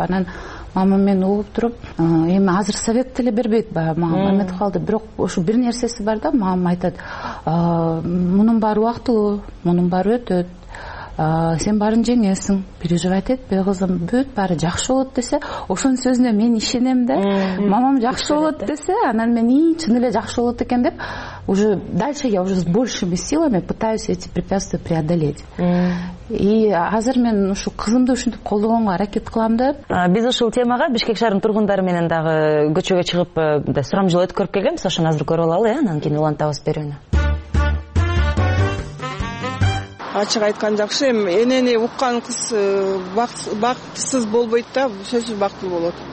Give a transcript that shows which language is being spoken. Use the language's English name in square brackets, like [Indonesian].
[Kyrgyz] Анан мама мени угуп туруп, эми азыр совет деле бербейт баягы мамам эметип калды, бирок ушу бир нерсеси бар да, мамам айтат, мунун баары убактылуу, мунун баары өтөт, сен баарын жеңесиң, переживать этпе кызым, бүт баары жакшы болот десе, ошонун сөзүнө мен ишенем да. Мамам жакшы болот десе, анан мен чын эле жакшы болот экен деп [Russian] уже дальше я уже с большими силами пытаюсь эти препятствия преодолеть. [Kyrgyz] И азыр мен ушу кызымды ушинтип колдогонго аракет кылам да. Биз ушул темага Бишкек шаарынын тургундары менен дагы көчөгө чыгып мындай сурам жолу өткөрүп келгенбиз, ошону азыр көрүп алалы, анан кийин улантабыз берүүнү. Ачык айткан жакшы, эми энени уккан кыз бактысыз болбойт да, сөзсүз бактылуу болот.